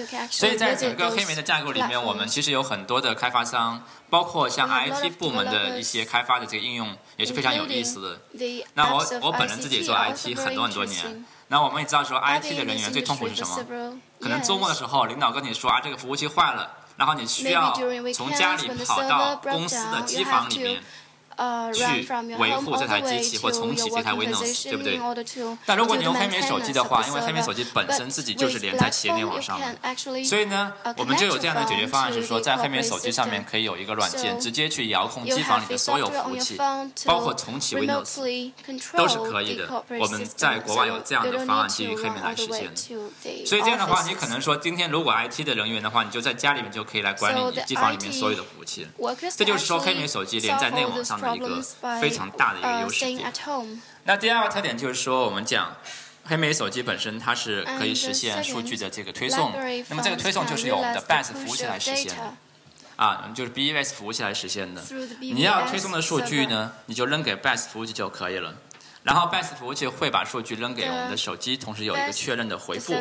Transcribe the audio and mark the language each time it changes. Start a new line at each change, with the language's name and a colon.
Chinese: 所以在整个黑莓的架构里面，我们其实有很多的开发商，包括像 IT 部门的一些开发的这个应用也是非常有意思的。那我本人自己做 IT 很多很多年，那我们也知道说 IT 的人员最痛苦是什么，可能周末的时候领导跟你说啊，这个服务器坏了，然后你需要从家里跑到公司的机房里面
English: run from your home all the way to your working position in order to do the maintenance of the server. software on your phone to remotely control the corporate system. So you don't need to run all the way to the offices.
Chinese: 你可能说今天如果 IT 的人员的话你就在家里面就可以来管理你机房里面所有的服务器这就是说黑莓手机连在内网上的一个非常大的一个优势点那第二个特点就是说我们讲黑莓手机本身它是可以实现数据的这个推送那么这个推送就是由我们的 BAS 服务器来实现的啊，就是 BBS 服务器来实现的你要推送的数据呢你就扔给 BAS 服务器就可以了然后 BAS 服务器会把数据扔给我们的手机同时有一个确认的回复